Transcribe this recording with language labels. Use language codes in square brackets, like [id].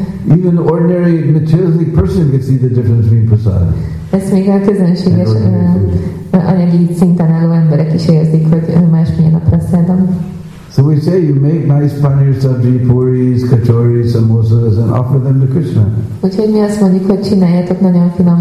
[en] Even an ordinary materialistic person could see the difference between prasad. [hu] Ezt még a közönséges anyagi szinten álló emberek is érzik, hogy másmilyen a prasadam. [en] So we say you make nice paneer sabji, puris, kachori, samosas, and offer them to Krishna. [hu] Úgyhogy mi azt mondjuk, hogy csináljátok nagyon finom